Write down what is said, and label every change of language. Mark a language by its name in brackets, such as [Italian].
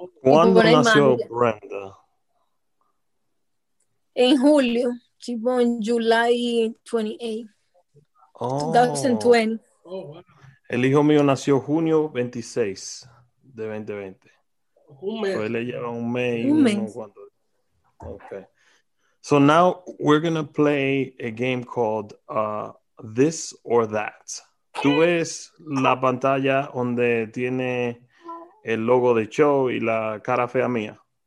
[Spanish] ¿Cuándo nació Brenda? [English] In Julio, she born July 28, oh. 2020. [Spanish] Oh, wow. El hijo mío nació junio 26 de 2020. Un mes. So él le lleva un mes. Un mes. Cuando... [English] Okay. So now we're going to play a game called This or That. [Spanish] ¿Tú ves la pantalla donde tiene el logo de show y la cara fea mía?